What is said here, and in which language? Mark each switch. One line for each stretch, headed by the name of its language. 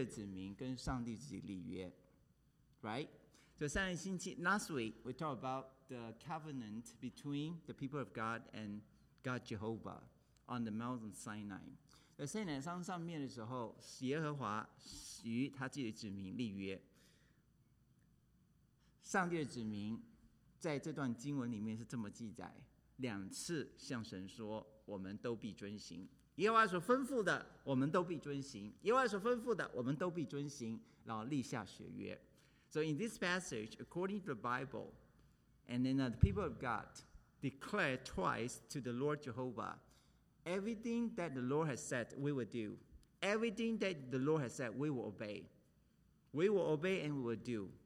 Chinese: 今天跟大家分享的是财道福道财神道恭喜发财第二讲。那上个星期呢，我们讲到以色列子民跟上帝之间立约, right?
English: So last week we talked about the covenant between the people of God and God Jehovah on the Mount of Sinai.
Chinese: The Sinai 上面的时候，耶和华与他自己的子民立约。上帝的子民在这段经文里面是这么记载：两次向神说，我们都必遵行耶和华所吩咐的，我们都必遵行耶和华所吩咐的，我们都必遵行，然后立下血约。
English: So in this passage, according to the Bible, and then the people of God declare twice to the Lord Jehovah, everything that the Lord has said, we will do. Everything that the Lord has said, we will obey. We will obey and we will do.